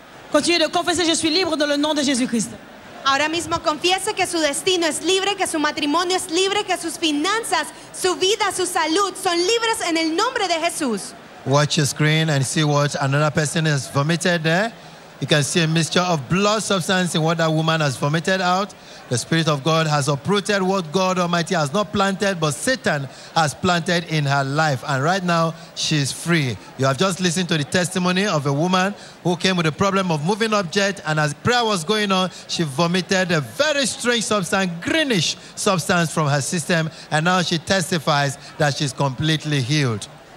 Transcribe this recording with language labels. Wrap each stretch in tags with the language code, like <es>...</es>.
<fr>Continuez de confesser, je suis libre dans le nom de Jésus-Christ.</fr> <es>Ahora mismo confiese que su destino es libre, que su matrimonio es libre, que sus finanzas, su vida, su salud son libres en el nombre de Jesús.</es> <en>Watch your screen and see what another person has vomited there. You can see a mixture of blood substance in what that woman has vomited out. The Spirit of God has uprooted what God Almighty has not planted, but Satan has planted in her life. And right now, she's free. You have just listened to the testimony of a woman who came with a problem of moving object, and as prayer was going on, she vomited a very strange substance, greenish substance from her system, and now she testifies that she's completely healed.</en>